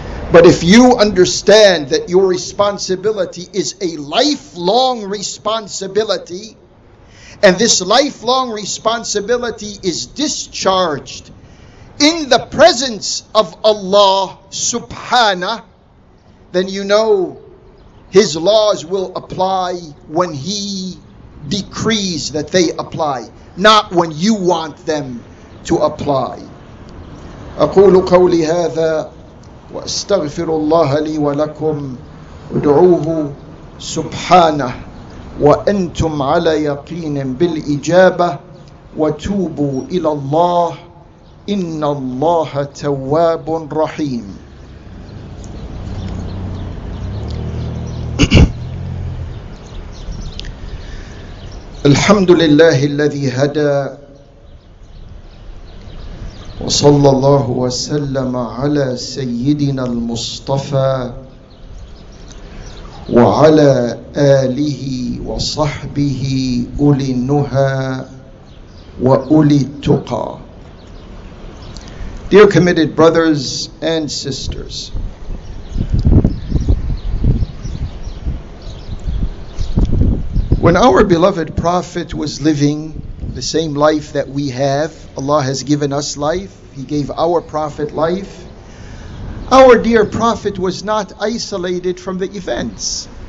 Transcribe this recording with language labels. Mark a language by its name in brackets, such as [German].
[English] But if you understand that your responsibility is a lifelong responsibility, and this lifelong responsibility is discharged in the presence of Allah subhana, then you know His laws will apply when He decrees that they apply, not when you want them to apply. [Arabic] أقول قولي هذا وأستغفر الله لي ولكم ودعوه سبحانه وأنتم على يقين بالإجابة وتوبوا إلى الله إن الله تواب رحيم. الحمد لله الذي هدى وصلى الله وسلم على سيدنا المصطفى وعلى آله وصحبه أولي النهى وأولي التقى. [English] Dear committed brothers and sisters, when our beloved Prophet was living the same life that we have, Allah has given us life, He gave our Prophet life, our dear Prophet was not isolated from the events.